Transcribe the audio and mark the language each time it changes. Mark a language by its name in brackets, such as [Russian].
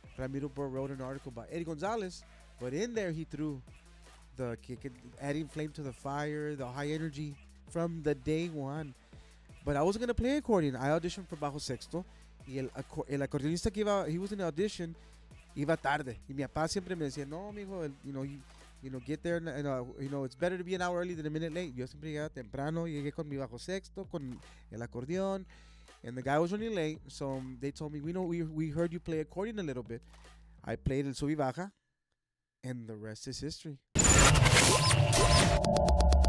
[English] Ramiro Burr wrote an article about Eddie Gonzalez, but in there he threw the kick, adding flame to the fire, the high energy from the day one. But I wasn't going to play accordion. I auditioned for Bajo Sexto. [Spanish] Y el acordeonista que iba, [English] he was in the audition, [Spanish] iba tarde. Y mi papá siempre me decía, no, mijo, [English] you know, get there. You know, it's better to be an hour early than a minute late. [Spanish] Yo siempre llegaba temprano. Llegué con mi bajo sexto, con el acordeón. [English] And the guy was running late. So they told me, we heard you play accordion a little bit. I played [Spanish] el sub y baja. [English] And the rest is history.